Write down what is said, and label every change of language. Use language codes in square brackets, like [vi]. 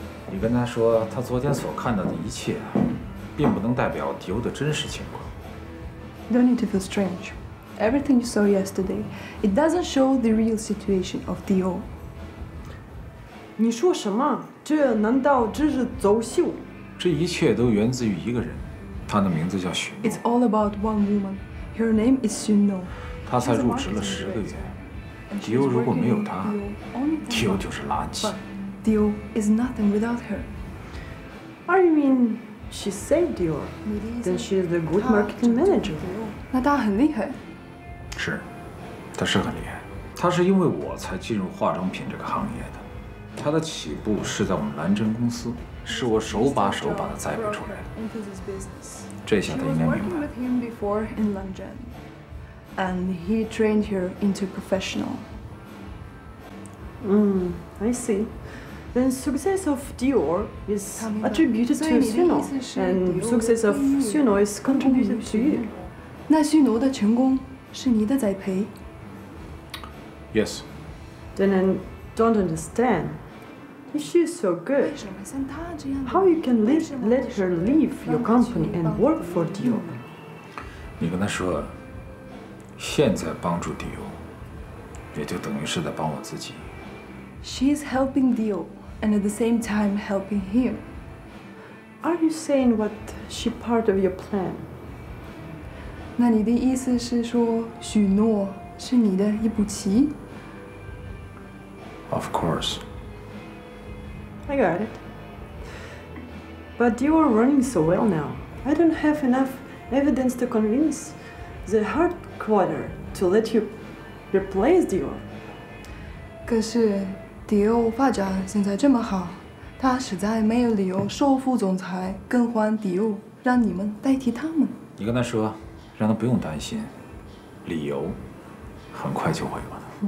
[zh] 你跟他说，他昨天所看到的一切，并不能代表迪欧的真实情况。 [en] Don't need to feel strange. Everything you saw yesterday, it doesn't show the real situation of Dior. [zh] 你说什么？这难道只是走秀？这一切都源自于一个人，他的名字叫许诺。 [en] It's all about one woman. Her name is 许诺。 [zh] 他才入职了10个月，迪欧如果没有他，迪欧就是垃圾。 [en] 迪欧 is nothing without her. Are you mean she saved Dior? Then she is a good marketing manager. [zh] 那她很厉害。是，她是很厉害。她是因为我才进入化妆品这个行业的。她的起步是在我们蓝针公司。是我手把手把他栽培出来的，这下他应该明白。 [en] She was working with him before in London, and he trained her into professional. I see. Then success of Dior is attributed to Suno, and success of Suno is contributed to you. [zh] 那许诺的成功是你的栽培 [en] ？Yes. Then I don't understand. If she's so good, how you can let her leave your company and work for Dior? [zh] 你跟她说，现在帮助 Dior， 也就等于是在帮我自己。 [en] She's helping Dior and at the same time helping him. Are you saying what she part of your plan? [zh] 那你的意思是说，许诺是你的一步棋 [en] ？Of course. I got it. But you are running so well now. I don't have enough evidence to convince the headquarter to let you replace Dior. [zh] 可是迪欧发展现在这么好，他实在没有理由说服总裁更换迪欧，让你们代替他们。你跟他说，让他不用担心，理由很快就会有的。